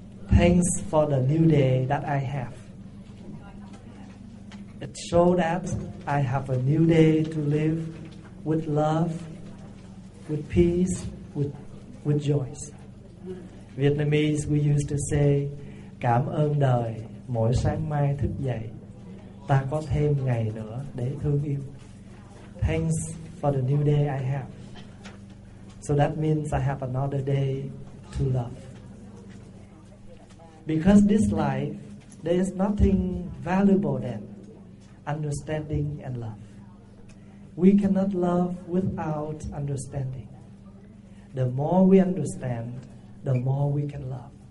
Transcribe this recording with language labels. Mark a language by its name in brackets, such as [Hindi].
[English] Thanks for the new day that I have. It shows that I have a new day to live with love, with peace, with joy. Vietnamese, we used to say, [Vietnamese] Cảm ơn đời, mỗi sáng mai thức dậy, ta có thêm ngày nữa để thương yêu. [English] Thanks for the new day I have. So that means I have another day to love. Because this life, there is nothing valuable than understanding and love. We cannot love without understanding. The more we understand, the more we can love.